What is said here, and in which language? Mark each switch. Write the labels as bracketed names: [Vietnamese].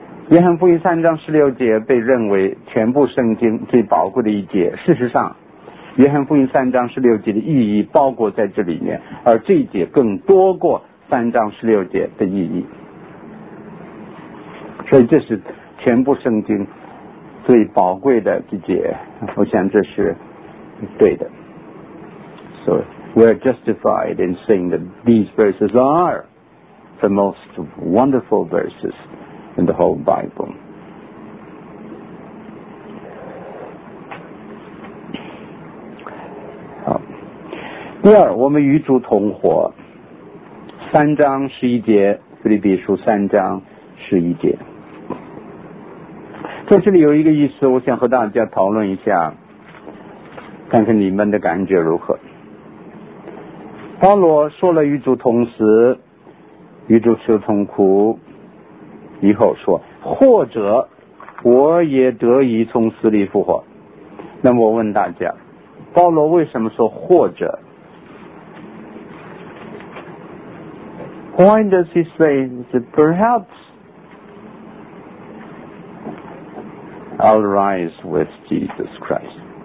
[Chinese] 约翰福音三章十六节被认为全部圣经最宝贵的一节，事实上约翰福音三章十六节的意义包括在这里面，而这一节更多过三章十六节的意义。所以这是全部圣经最宝贵的一节，我想这是对的。 [English] So we are justified in saying that these verses are the most wonderful verses in the whole Bible. Here, [Chinese] 我们与主同活, 3章11节, 腓立比书3章11节。在这里有一个意思, 我想和大家讨论一下, 看看你们的感觉如何。保罗说了与主同死, 与主受痛苦, 以后说, 或者我也得以从死里复活。那么我问大家, 保罗为什么说或者? [English] Why does he say that perhaps I'll rise with Jesus Christ?